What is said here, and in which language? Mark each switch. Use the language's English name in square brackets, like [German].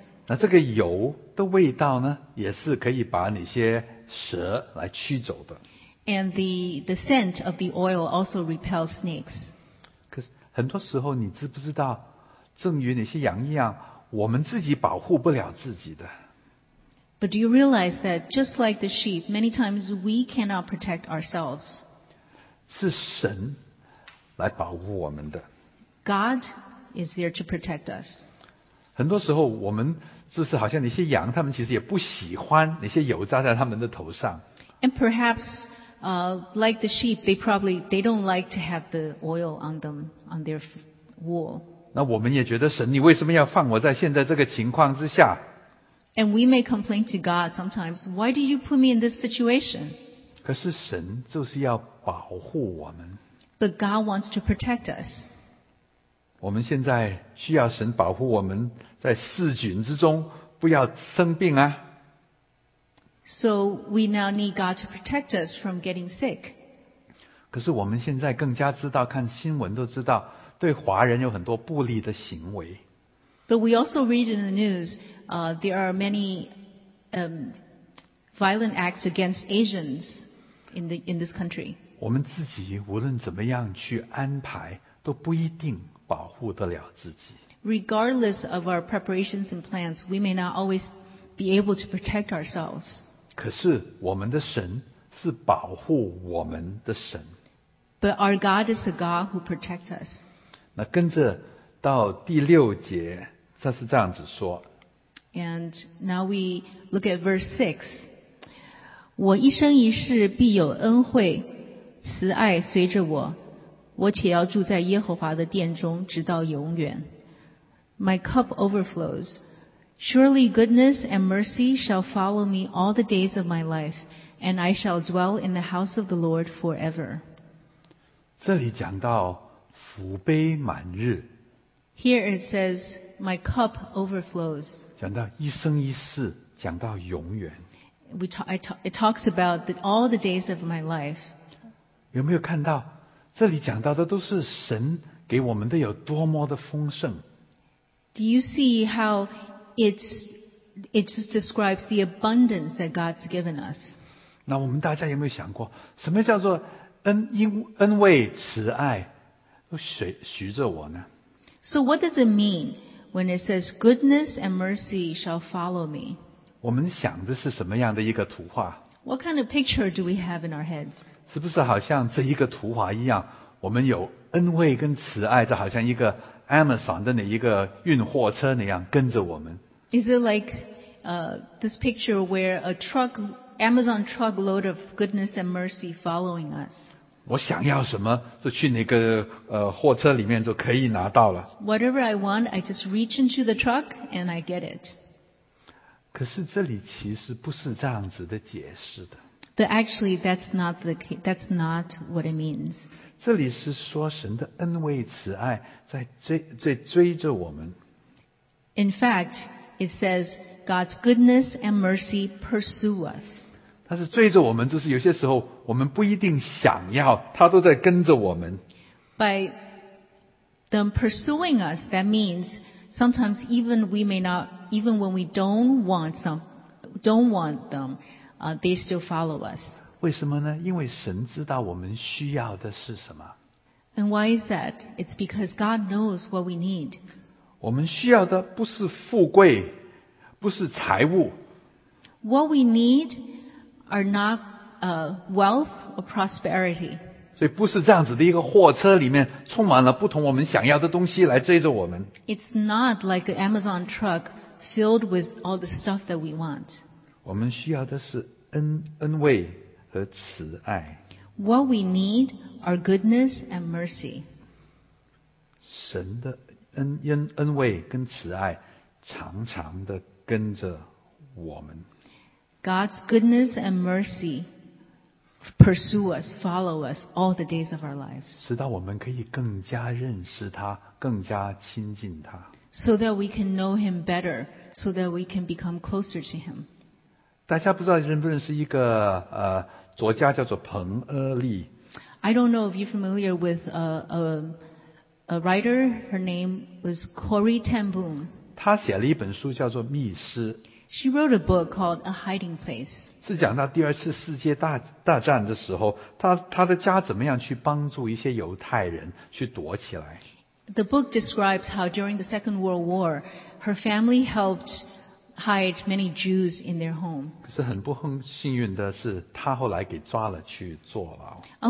[Chinese] 那这个油的味道呢，也是可以把那些蛇来驱走的。 [English] And the scent of the oil also repels snakes. [Chinese] 可是很多时候你知不知道，正如那些羊一样，我们自己保护不了自己的。 [English] But do you realize that just like the sheep, many times we cannot protect ourselves? [Chinese] 是神来保护我们的。 [English] God is there to protect us. [Chinese] 很多时候我们就是好像那些羊，他们其实也不喜欢那些油扎在他们的头上。 [English] And perhaps like the sheep, they don't like to have the oil on them, on their wool. [Chinese] 那我们也觉得神，你为什么要放我在现在这个情况之下？ [English] And we may complain to God sometimes, why do you put me in this situation? [Chinese] 可是神就是要保护我们。 [English] But God wants to protect us. [Chinese] 我们现在需要神保护我们在世菌之中不要生病啊。 [English] So we now need God to protect us from getting sick. [Chinese] 可是我们现在更加知道，看新闻都知道，对华人有很多不利的行为。 [English] But we also read in the news, there are many violent acts against Asians in this country. [Chinese] 我们自己无论怎么样去安排，都不一定保护得了自己。 [English] Regardless of our preparations and plans, we may not always be able to protect ourselves. [Chinese] 可是我们的神是保护我们的神。 [English] But our God is a God who protects us. [Chinese] 那跟着到第六节，他是这样子说。 [English] And now we look at verse 6. [Chinese] 我一生一世必有恩惠慈爱随着我，我且要住在耶和华的殿中直到永远。 [English] My cup overflows. Surely goodness and mercy shall follow me all the days of my life, and I shall dwell in the house of the Lord forever. [Chinese] 这里讲到福杯满溢。 [English] Here it says, my cup overflows. [Chinese] 讲到一生一世，讲到永远。 [English] It talks about all the days of my life. [Chinese] 有没有看到，这里讲到的都是神给我们的有多么的丰盛。 [English] Do you see how... It just describes the abundance that God's given us. [Chinese] 那我们大家有没有想过，什么叫做恩惠慈爱随着我呢？ [English] So what does it mean when it says goodness and mercy shall follow me? [Chinese] 我们想的是什么样的一个图画？ [English] What kind of picture do we have in our heads? [Chinese] 是不是好像这一个图画一样，我们有恩惠跟慈爱，这好像一个 Amazon 的那一个运货车那样跟着我们。 [English] Is it like this picture where a truck, Amazon truckload of goodness and mercy following us? [Chinese] 我想要什么，就去那个货车里面就可以拿到了。 [English] Whatever I want, I just reach into the truck and I get it. [Chinese] 可是这里其实不是这样子的解释的。 [English] But actually, that's not what it means. [Chinese] 这里是说神的恩惠慈爱在追着我们。 [English] In fact, it says God's goodness and mercy pursue us. [Chinese] 他是追着我们，就是有些时候我们不一定想要，他都在跟着我们。 [English] By them pursuing us, that means sometimes even we may not, even when we don't want them. They still follow us. [Chinese] 为什么呢？因为神知道我们需要的是什么。 [English] And why is that? It's because God knows what we need. [Chinese] 我们需要的不是富贵，不是财物。 [English] What we need are not wealth or prosperity. [Chinese] 所以不是这样子的一个货车里面充满了不同我们想要的东西来追着我们。 [English] It's not like an Amazon truck filled with all the stuff that we want. [Chinese] 我们需要的是恩惠和慈爱。 [English] What we need are goodness and mercy. [Chinese] 神的恩惠跟慈爱常常的跟着我们。 [English] God's goodness and mercy pursue us, follow us all the days of our lives. [Chinese] 使到我们可以更加认识他，更加亲近他。 [English] So that we can know him better, so that we can become closer to him. [Chinese] 大家不知道认不认识一个作家叫做彭厄利。 [English] I don't know if you're familiar with a writer. Her name was Corey Ten Boom. [Chinese] 她写了一本书叫做《密室》。 [English] She wrote a book called A Hiding Place. [Chinese] 是讲到第二次世界大战的时候，她的家怎么样去帮助一些犹太人去躲起来。 [English] The book describes how during the Second World War, her family helped. Hide many Jews in their home. [Chinese] 可是很不幸运的是，她后来给抓了去坐牢。